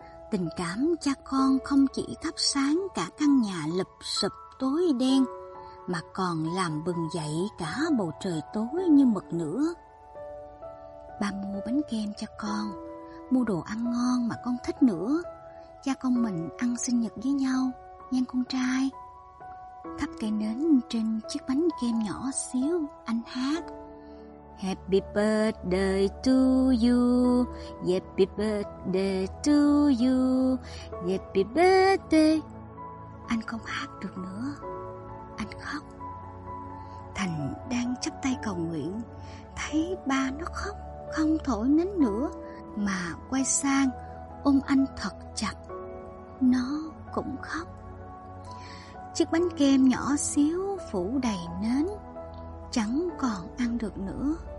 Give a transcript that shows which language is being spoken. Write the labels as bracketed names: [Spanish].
[Vietnamese] Tình cảm cha con không chỉ thắp sáng cả căn nhà lụp sụp tối đen, mà còn làm bừng dậy cả bầu trời tối như mực nữa. Ba mua bánh kem cho con, mua đồ ăn ngon mà con thích nữa. Cha con mình ăn sinh nhật với nhau nhan con trai. Thắp cây nến trên chiếc bánh kem nhỏ xíu, anh hát. [English] Happy birthday to you, happy birthday to you, happy birthday. [Vietnamese] Anh không hát được nữa, anh khóc. Thành đang chắp tay cầu nguyện, thấy ba nó khóc, không thổi nến nữa mà quay sang ôm anh thật chặt. Nó cũng khóc. Chiếc bánh kem nhỏ xíu phủ đầy nến, chẳng còn ăn được nữa.